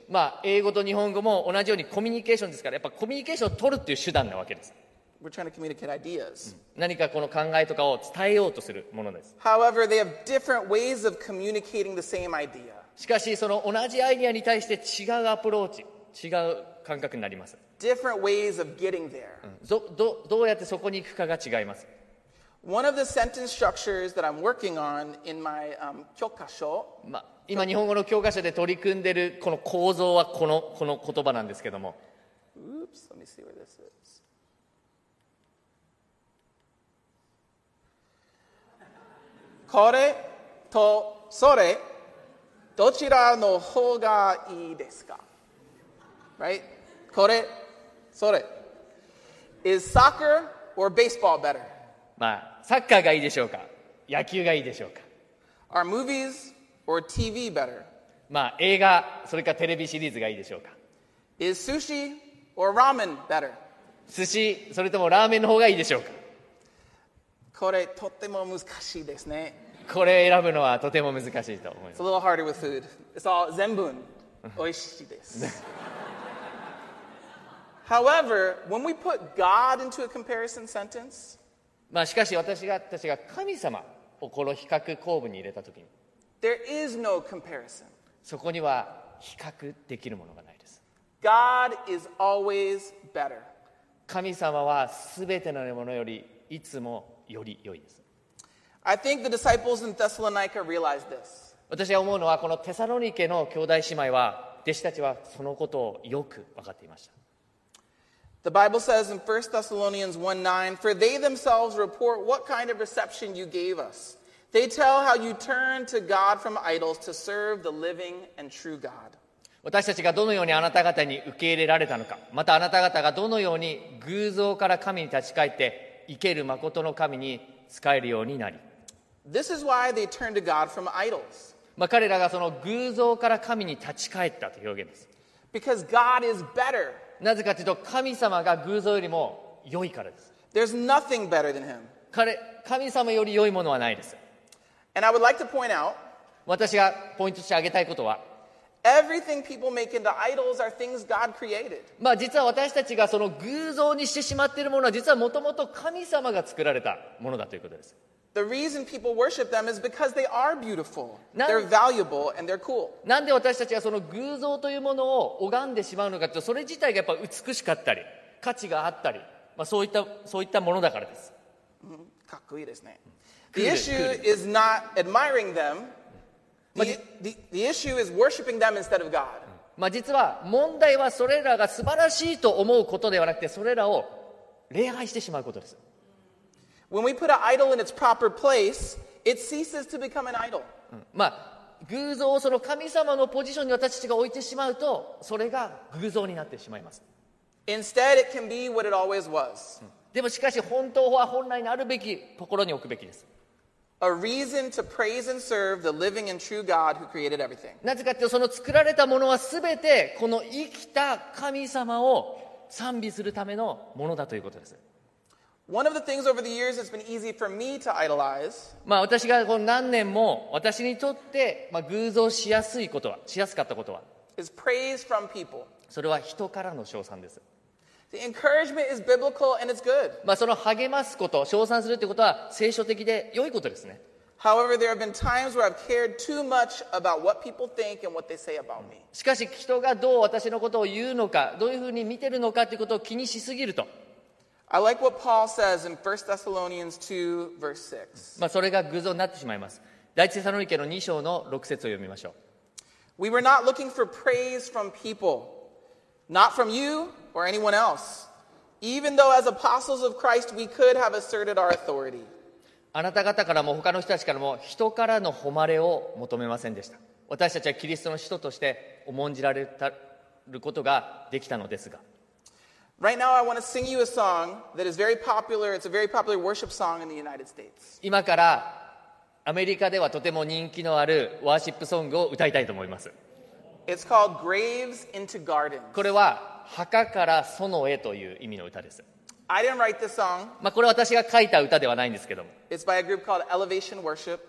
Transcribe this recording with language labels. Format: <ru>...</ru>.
<ja>まあ英語と日本語も同じようにコミュニケーションですから、やっぱコミュニケーションを取るっていう手段なわけです。</ja> <en>We're trying to communicate ideas.</en> <ja>何かこの考えとかを伝えようとするものです。</ja> <en>However, they have different ways of communicating the same idea.</en> <ja>しかしその同じアイデアに対して違うアプローチ、違う感覚になります。</ja> <en>Different ways of getting there.</en> <ja>どうやってそこに行くかが違います。</ja> <en>One of the sentence structures that I'm working on in my 教科書、</en> <ja>まあ、今日本語の教科書で取り組んでるこの構造はこの言葉なんですけども。</ja> <en>Oops, let me see where this is.</en> <ja>これとそれどちらの方がいいですか?</ja> <en>Right?</en> <ja>これそれ</ja> <en>Is soccer or baseball better?</en> <ja>まあサッカーがいいでしょうか、野球がいいでしょうか。</ja> <en>Are movies or TV better?</en> <ja>まあ映画それかテレビシリーズがいいでしょうか。</ja> <en>Is sushi or ramen better?</en> <ja>寿司それともラーメンの方がいいでしょうか。これとても難しいですね。これ選ぶのはとても難しいと思います。</ja> <en>It's a little harder with food. It's all</en> <ja>全部美味しいです。</ja> <en>However, when we put God into a comparison sentence.</en> <ja>まあ、しかし私が神様をこの比較構文に入れたときに</ja> <en>There is no comparison.</en> <ja>そこには比較できるものがないです。</ja> <en>God is always better.</en> <ja>神様は全てのものよりいつもより良いです。</ja> <en>I think the disciples in Thessalonica realized this.</en> <ja>私が思うのはこのテサロニケの兄弟姉妹は弟子たちはそのことをよく分かっていました。</ja> <en>The Bible says in 1 Thessalonians 1:9, For they themselves report what kind of reception you gave us. They tell how you turned to God from idols to serve the living and true God.</en> <ja>私たちがどのようにあなた方に受け入れられたのか、またあなた方がどのように偶像から神に立ち返って生ける誠の神に仕えるようになり。</ja> <en>This is why they turned to God from idols.</en> <ja>まあ彼らがその偶像から神に立ち返ったという表現です。</ja> <en>Because God is better.</en> <ja>なぜかというと神様が偶像よりも良いからです。</ja> <en>There's nothing better than him.</en> <ja>神様より良いものはないです。</ja> <en>And I would like to point out,</en> <ja>私がポイントとして挙げたいことは、</ja> <en>Everything people make into idols are things God created.</en> <ja>まあ実は私たちがその偶像にしてしまっているものは実はもともと神様が作られたものだということです。</ja> <en>The reason people worship them is because they are beautiful, they're valuable, and they're cool.</en> <ja>なんで私たちがその偶像というものを拝んでしまうのかというと、それ自体がやっぱ美しかったり、価値があったり、まあそういったものだからです。かっこいいですね。</ja> <en>The issue is not admiring them. The issue is worshiping them instead of God.</en> <ja>まあ実は問題はそれらが素晴らしいと思うことではなくて、それらを礼拝してしまうことです。</ja> <en>When we put an idol in its proper place, it ceases to become an idol.</en> <ja>まあ、偶像をその神様のポジションに私たちが置いてしまうと、それが偶像になってしまいます。</ja> <en>Instead, it can be what it always was.</en> <ja>でもしかし、本当は本来にあるべきところに置くべきです。</ja> <en>A reason to praise and serve the living and true God who created everything.</en> <ja>なぜかというと、その作られたものはすべてこの生きた神様を賛美するためのものだということです。</ja> <en>One of the things over the years that's been easy for me to idolize.</en> <ja>まあ私がこの何年も私にとってまあ偶像しやすいことは、しやすかったことは、</ja> <en>is praise from people.</en> <ja>それは人からの称賛です。</ja> <en>The encouragement is biblical and it's good.</en> <ja>まあその励ますこと、称賛するということは聖書的で良いことですね。</ja> <en>However, there have been times where I've cared too much about what people think and what they say about me.</en> <ja>しかし人がどう私のことを言うのか、どういうふうに見てるのかということを気にしすぎると。</ja> <en>I like what Paul says in 1 Thessalonians 2, verse 6.</en> <ja>まあそれが偶像になってしまいます。第一テサロニケの2章の6節を読みましょう。</ja> <en>We were not looking for praise from people, not from you or anyone else, even though as apostles of Christ we could have asserted our authority.</en> <ja>あなた方からも他の人たちからも人からの誉れを求めませんでした。私たちはキリストの使徒として重んじられることができたのですが。</ja> <en>Right now, I want to sing you a song that is very popular. It's a very popular worship song in the United States.</en> <ja>今からアメリカではとても人気のあるワーシップソングを歌いたいと思います。</ja> <en>It's called Graves into Gardens.</en> <ja>これは墓から園へという意味の歌です。</ja> <en>I didn't write this song.</en> <ja>まあこれは私が書いた歌ではないんですけども。</ja> <en>It's by a group called Elevation Worship.</en>